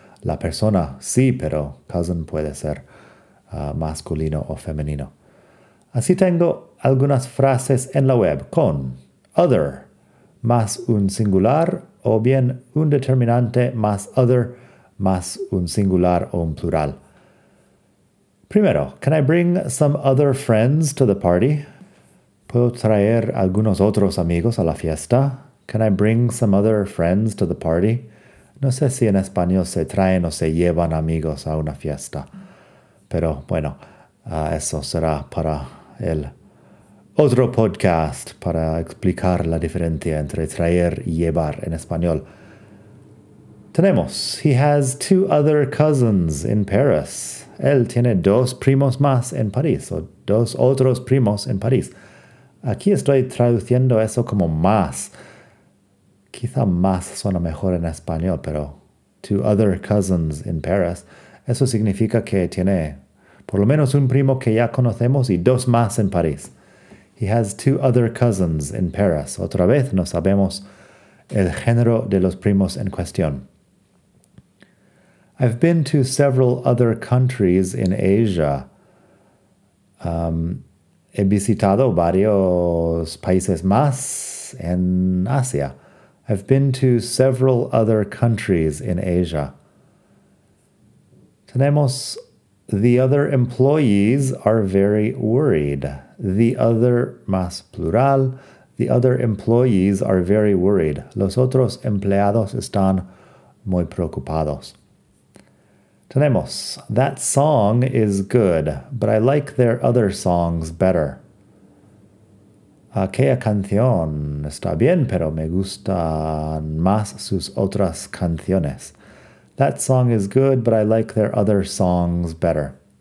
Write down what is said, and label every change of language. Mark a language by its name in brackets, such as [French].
[Spanish] La persona sí, pero cousin puede ser masculino o femenino. Así tengo algunas frases en la web con other más un singular o bien un determinante más other más un singular o un plural. Primero, [English] can I bring some other friends to the party? [Spanish] ¿Puedo traer algunos otros amigos a la fiesta? [English] Can I bring some other friends to the party? [Spanish] No sé si en español se traen o se llevan amigos a una fiesta. Pero bueno, eso será para el otro podcast para explicar la diferencia entre traer y llevar en español. Tenemos, [English] he has two other cousins in Paris. [Spanish] Él tiene dos primos más en París, o dos otros primos en París. Aquí estoy traduciendo eso como más. Quizá más suena mejor en español, pero [English] two other cousins in Paris. [Spanish] Eso significa que tiene por lo menos un primo que ya conocemos y dos más en París. [English] He has two other cousins in Paris. [Spanish] Otra vez no sabemos el género de los primos en cuestión. [English] I've been to several other countries in Asia. [Spanish] He visitado varios países más en Asia. [English] I've been to several other countries in Asia. [Spanish] Tenemos [English] the other employees are very worried. The other [Spanish] más plural. [English] The other employees are very worried. [Spanish] Los otros empleados están muy preocupados. Tenemos, [English] that song is good, but I like their other songs better. [Spanish] Aquella canción está bien, pero me gustan más sus otras canciones. [English] That song is good, but I like their other songs better.